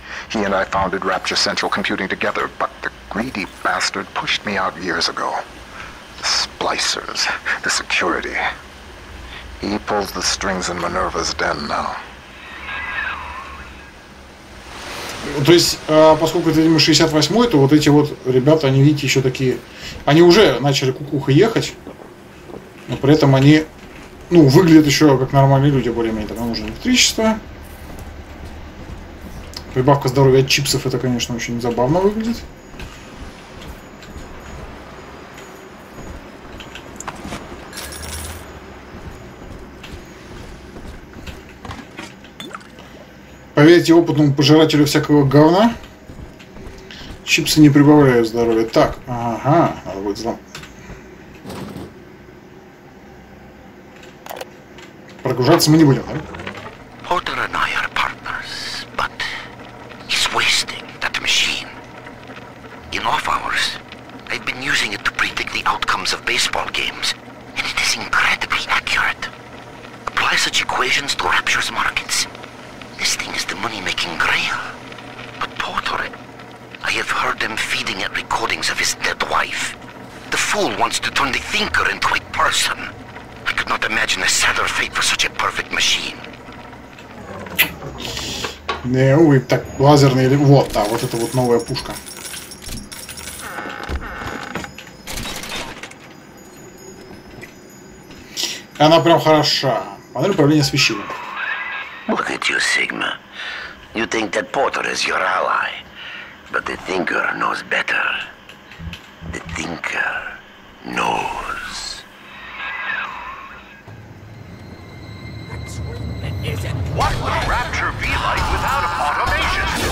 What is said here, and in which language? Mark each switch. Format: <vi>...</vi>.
<en>He and I founded Rapture Central Computing together, but the greedy bastard pushed me out years ago. The splicers, the security. He pulls the strings in Minerva's den now.</en> <ru>То есть, поскольку это, видимо, 68-й, то вот эти вот ребята, они, видите, еще такие... Они уже начали кукухой ехать, но при этом они, ну, выглядят еще как нормальные люди, более-менее. Там нужно электричество. Прибавка здоровья от чипсов, это, конечно, очень забавно выглядит. Поверьте опытному пожирателю всякого говна, чипсы не прибавляют здоровья. Так, ага, надо будет взлом. Прогружаться мы не будем, да? Потер и я</ru> <en>are partners, but he's wasting that machine. In off hours, I've been using it to predict the outcomes of baseball games, and it is incredibly accurate. Apply such equations to Rapture's markets. This thing is the money-making grail. But Porter, I have heard them feeding at recordings of his dead wife. The fool wants to turn the thinker into a person. I could not imagine a sadder fate for such a perfect machine.</en> <ru>Не, увы, так, лазерный или... Вот, да, вот это вот новая пушка. Она прям хороша. Панель управления освещением.</ru> <en>Look at you, Sigma. You think that Porter is your ally, but the Thinker knows better. The Thinker knows. What would Rapture be like without automation?</en>